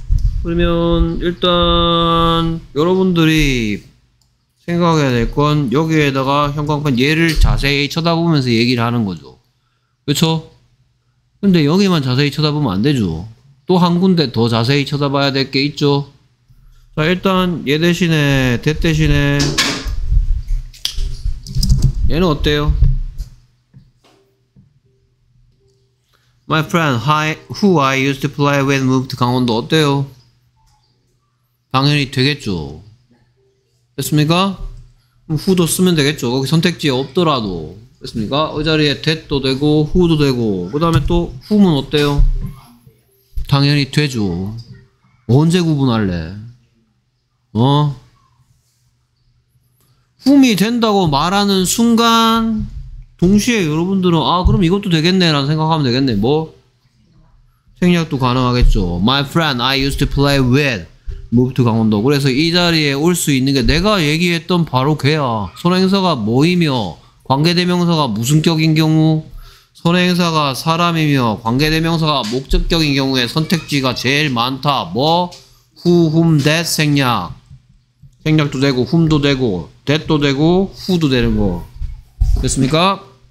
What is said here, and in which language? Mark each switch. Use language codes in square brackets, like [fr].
[ko] 그러면 일단 여러분들이 생각해야 될 건 여기에다가 형광펜 얘를 자세히 쳐다보면서 얘기를 하는 거죠. 그렇죠? 근데 여기만 자세히 쳐다보면 안 되죠. 또 한 군데 더 자세히 쳐다봐야 될 게 있죠. 자, 일단 얘 대신에 대 대신에 얘는 어때요? [en] My friend, hi, who I used to play with moved to 강원도 어때요? [ko] 당연히 되겠죠. 됐습니까? 그럼 who도 쓰면 되겠죠. 거기 선택지에 없더라도. 됐습니까? 이 자리에 that도 되고 who도 되고 그 다음에 또 whom은 어때요? 당연히 되죠. 언제 구분할래? 어? whom이 된다고 말하는 순간 동시에 여러분들은 아 그럼 이것도 되겠네 라는 생각하면 되겠네. 뭐? 생략도 가능하겠죠. [en] My friend I used to play with moved to 강원도. [ko] 그래서 이 자리에 올 수 있는 게 내가 얘기했던 바로 걔야. 선행사가 뭐이며 관계대명사가 무슨 격인 경우, 선행사가 사람이며 관계대명사가 목적격인 경우에 선택지가 제일 많다. 뭐? who, whom, that 생략. 생략도 되고 whom도 되고 that도 되고 who도 되는 거. 됐습니까?